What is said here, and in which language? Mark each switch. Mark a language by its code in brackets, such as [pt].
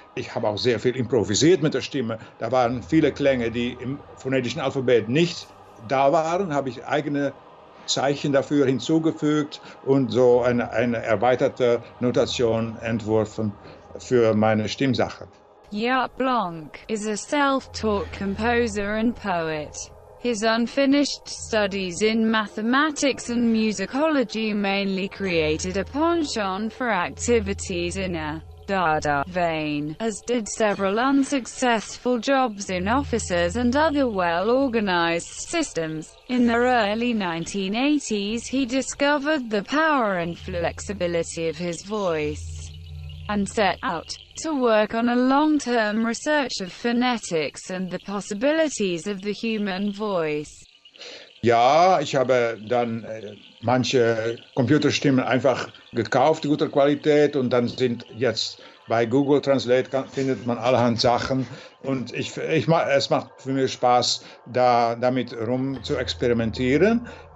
[de] Ich habe auch sehr viel improvisiert mit der Stimme. Da waren viele Klänge, die im phonetischen Alphabet nicht da waren. Habe ich eigene Zeichen dafür hinzugefügt und so eine erweiterte Notation entworfen für meine Stimmsache. [en] Jaap Blanc is a self-taught composer and poet. His unfinished studies in mathematics and musicology mainly created a penchant for activities in a dada vein, as did several unsuccessful jobs in offices and other well-organized systems. In the early 1980s, he discovered the power and flexibility of his voice and set out to work on a long-term research of phonetics and the possibilities of the human voice. [de] Ja, ich habe dann manche Computerstimmen einfach gekauft, guter Qualität, und dann sind jetzt bei Google Translate findet man allerhand Sachen. Und es macht für mich Spaß, damit rum zu experimentieren.